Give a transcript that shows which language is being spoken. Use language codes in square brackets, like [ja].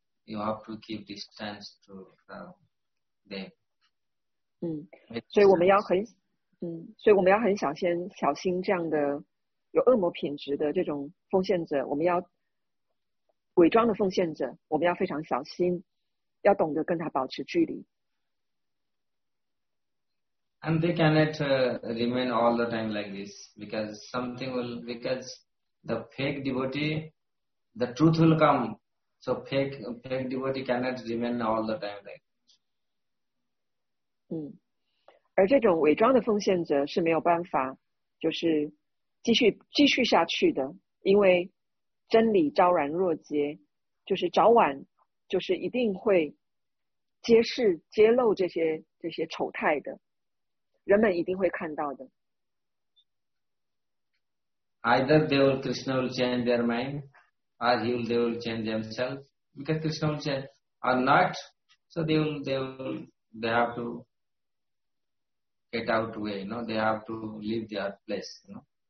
[en] You have to keep distance to from them. [zh] 所以我们要很小心这样的有恶魔品质的这种奉献者，我们要伪装的奉献者，我们要非常小心，要懂得跟他保持距离。 [en] And they cannot remain all the time like this, because something will, because the fake devotee, the truth will come. So fake devotee cannot remain all the time like this. [zh] 而这种伪装的奉献者是没有办法，就是继续下去的，因为真理昭然若揭，就是早晚就是一定会揭露这些丑态的，人们一定会看到的。 [en] Either they will Krishna will change their mind, or they will change themselves, because Krishna will change, or not, so they have to get out way, you know, they have to leave their place, you know.